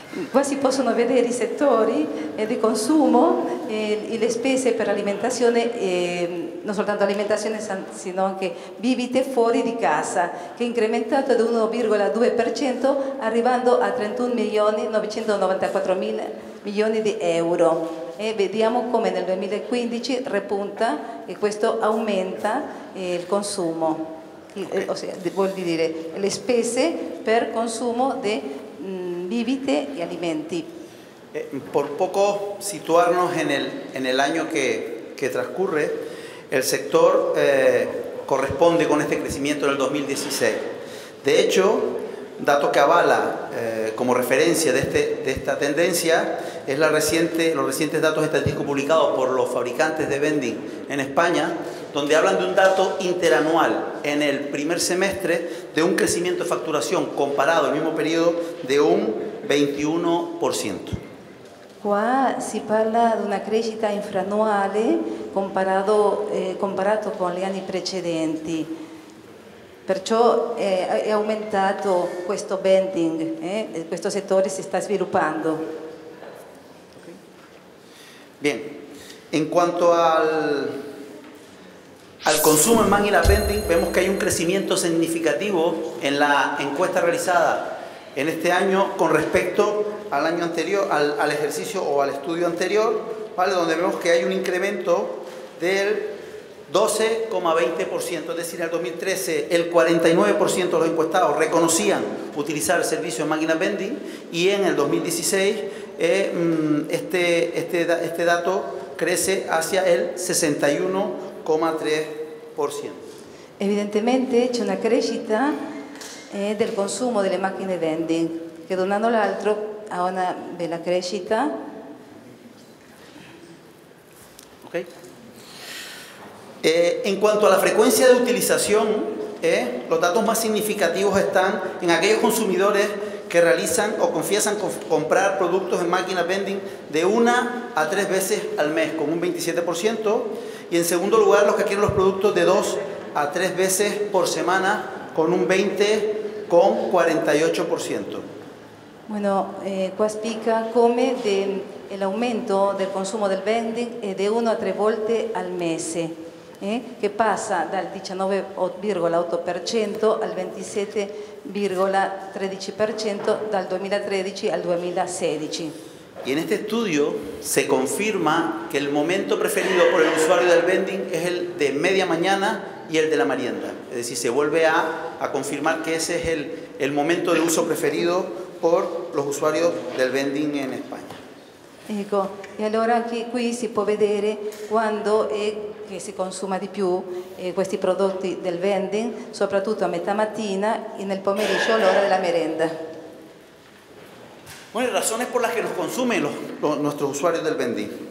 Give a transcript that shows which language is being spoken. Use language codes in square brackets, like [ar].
[it] quasi possono vedere i settori di consumo e le spese per l'alimentazione, non soltanto alimentazione, sino anche vivite fuori di casa, che è incrementato di 1,2%, arrivando a 31.994.000 milioni di euro. E vediamo come nel 2015 repunta e questo aumenta il consumo, vuol dire le spese per consumo di vivite y alimenti. [es] Por poco situarnos en el año que transcurre, el sector corresponde con este crecimiento del 2016. De hecho, dato que avala como referencia de esta tendencia es los recientes datos estadísticos publicados por los fabricantes de vending en España, donde hablan de un dato interanual en el primer semestre de un crecimiento de facturación comparado al mismo periodo de un 21%. [it] Qua si parla di una crescita infranuale comparato con gli anni precedenti. Perciò è aumentato questo vending, questo settore si sta sviluppando. [es] Bien, en cuanto al consumo en máquina vending, vemos que hay un crecimiento significativo en la encuesta realizada en este año con respecto al año anterior, al ejercicio o al estudio anterior, ¿vale? Donde vemos que hay un incremento del 12,20%, es decir, en el 2013 el 49% de los encuestados reconocían utilizar el servicio de máquina vending y en el 2016 este dato crece hacia el 61,3%. [it] Evidentemente c'è una crescita del consumo delle macchine vending, che da un anno all'altro ha una bella crescita. Ok. [es] En cuanto a la frecuencia de utilización, los datos más significativos están en aquellos consumidores que realizan o confiesan comprar productos en máquina vending de una a tres veces al mes, con un 27%. Y en segundo lugar, los que quieren los productos de dos a tres veces por semana, con un 20,48%. [it] Bueno, qua spicca come del aumento del consumo del vending [es] de uno a tres [it] volte al mese, che passa dal 19,8% al 27,13% dal 2013 al 2016. [es] Y en este estudio se confirma que el momento preferido por el usuario del vending es el de media mañana y el de la merienda. Es decir, se vuelve a confirmar que ese es el momento de uso preferido por los usuarios del vending en España. [it] Ecco, e allora qui si può vedere quando è che si consuma di più questi prodotti del vending, soprattutto a metà mattina e nel pomeriggio all'ora della merenda. [es] Bueno, razones por las que nos consumen nuestros usuarios del vending.